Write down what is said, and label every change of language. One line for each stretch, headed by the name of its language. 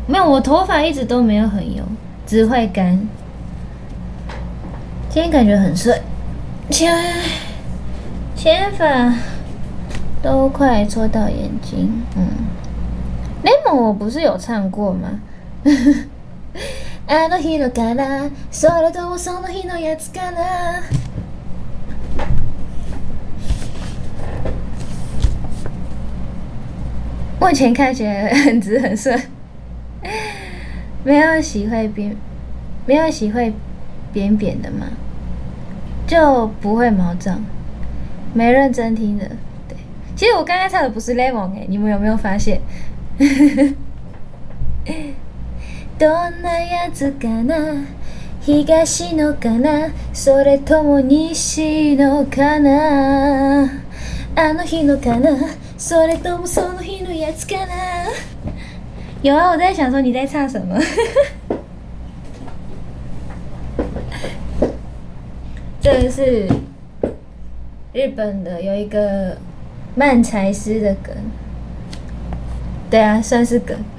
Chinese: 没有，我头发一直都没有很油，只会干。今天感觉很睡，前粉都快戳到眼睛。嗯 ，Lemon 我不是有唱过吗？
Japanese: あの日のかな、それともその日のやつかな。
Chinese: 目前看起来很直很顺，没有洗会扁，没有洗会扁扁的吗？就不会毛躁，没认真听的。对，其实我刚才唱的不是 Lemon 哎、欸，你们有没有发现？
Japanese: どんなやつかな、東のかな、それとも西のかな。あの日のかな、それともその日のやつかな。
Chinese: 有啊，我在想说你在唱什么。这个是日本的，有一个漫才师的梗。对啊，算是梗。